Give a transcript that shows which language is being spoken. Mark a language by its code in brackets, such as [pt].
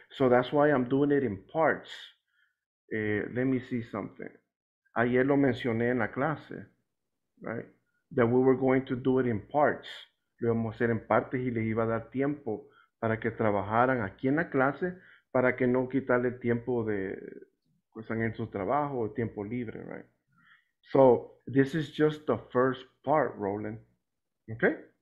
[en] So that's why I'm doing it in parts. Let me see something. [es] Ayer lo mencioné en la clase, right? [en] That we were going to do it in parts. [es] Lo íbamos a hacer en partes y les iba a dar tiempo para que trabajaran aquí en la clase para que no quitarle tiempo de pues en su trabajo o tiempo libre, right? [en] So, this is just the first part, Roland. Okay?